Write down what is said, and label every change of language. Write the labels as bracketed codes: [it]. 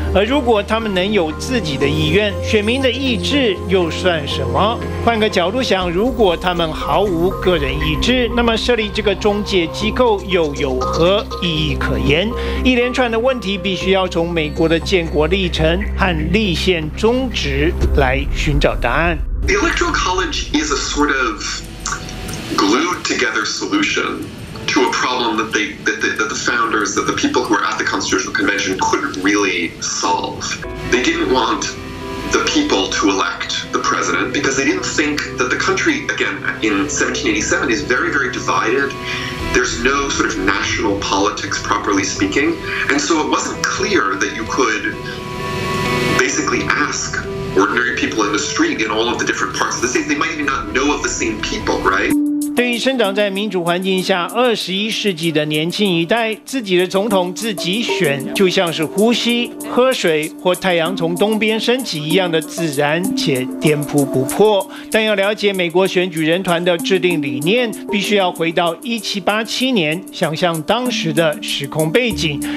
[zh] 而如果他们能有自己的意愿，选民的意志又算什么？换个角度想，如果他们毫无个人意志，那么设立这个中介机构又有何意义可言？一连串的问题必须要从美国的建国历程和立宪宗旨来寻找答案。 [en] The Electoral College is a sort of glued together solution to a problem that the founders, that the people who were at the Constitutional Convention couldn't really solve. They didn't want the people to elect the president because they didn't think that the country, again, in 1787, is very, very divided. There's no sort of national politics, properly speaking. And so it wasn't clear that you could basically ask ordinary people in the street in all of the different parts of the state. They might even not know of the same people, right? [zh] 对于生长在民主环境下21世纪的年轻一代，自己的总统自己选，就像是呼吸、喝水或太阳从东边升起一样的自然且颠扑不破。但要了解美国选举人团的制定理念，必须要回到1787年，想象当时的时空背景。